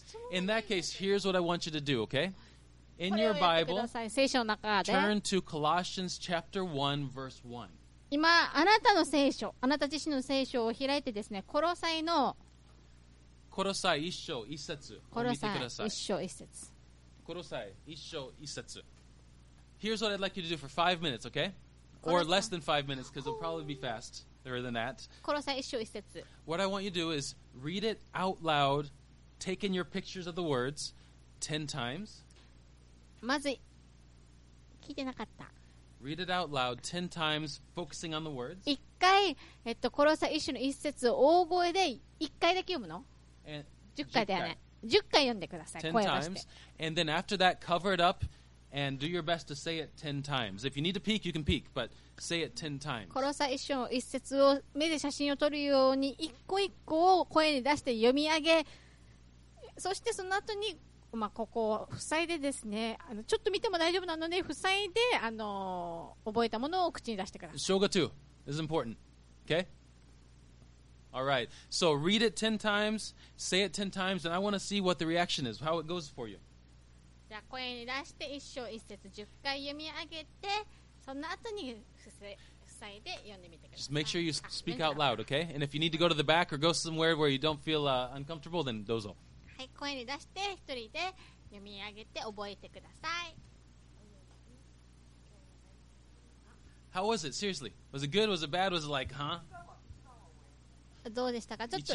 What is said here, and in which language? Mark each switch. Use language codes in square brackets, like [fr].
[en] In that case, here's what I want you to do, okay? In your Bible, turn to Colossians chapter 1, verse 1. [ja] 今、あなたの聖書、あなた自身の聖書を開いてですね、コロサイの。コロサイ一章一節。コロサイ一章一節。コロサイ一章一節。 [en] Here's what I'd like you to do for 5 minutes, okay? Or less than 5 minutes, because it'll probably be fast. Than that. What I want you to do is read it out loud, take in your pictures of the words 10 times. [ja] まず聞いてなかった。 [en] Read it out loud 10 times, focusing on the words. [ja] 一回、コロサイ一章の一節を大声で一回だけ読むの？ 10回だよね。10回読んでください。10 [en] times. And then after that, cover it up and do your best to say it 10 times. If you need to peek, you can peek, but. Say it 10 times. [ja] コロサイ一章一節を目で写真を撮るように一個一個を声に出して読み上げ、そしてその後に、まあ、ここを塞いでですね、あのちょっと見ても大丈夫なので塞いで、あの覚えたものを口に出してください。 [en] しょうが2 is important. Okay? All right. So read it 10 times, say it 10 times, and I want to see what the reaction is, how it goes for you. [ja] じゃあ声に出して一章一節10回読み上げて、その後に塞いで読んでみてください。 [en] Just make sure you speak out loud, okay? And if you need to go to the back or go somewhere where you don't feel uncomfortable, then どうぞ。 [ja] はい、声に出して一人で読み上げて覚えてください。 [en] How was it? Seriously? Was it good? Was it bad? Was it like, huh? [ja] どうでしたか？ちょっと